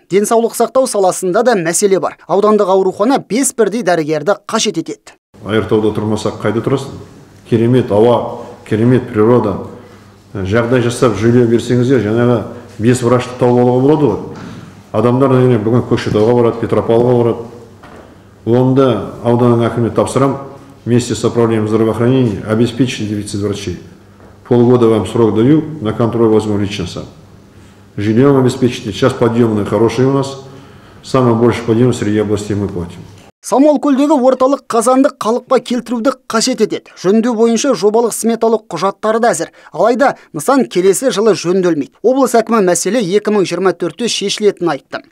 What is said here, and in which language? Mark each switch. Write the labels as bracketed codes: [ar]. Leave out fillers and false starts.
[kk] Денсаулық сақтау саласында да мәселе бар. Аудандық аурухана 5 бірдей дәрігерді қажет етеді. Айыртауда тұрмасақ қайда тұрасың? Керемет ауа, керемет природа. Жағдай жасап жүйелеп берсеңіздер, жаңағы бес врашты тауып алуға болады ғой. Адамдар әрине бүгін Көкшетауға барады, Петропавлға барады. Онда ауданның әкіміне тапсырам, [ru] вместе с управлением здравоохранения обеспечить дефицит врачей. Полгода вам срок даю, на контроль возьму лично сам. Жильем обеспечить. Сейчас подъемные хорошие у нас. Самый больший подъем среди областей мы платим. [kk] Самал көлдегі орталық қазанды қалыпқа келтіруді қажет етеді. Жөндеу бойынша жобалық сметалық құжаттары да әзір. Алайда нысан келесі жылы жөнделмейді. Облыс әкімі мәселе 2024-те шешілетінін айтты.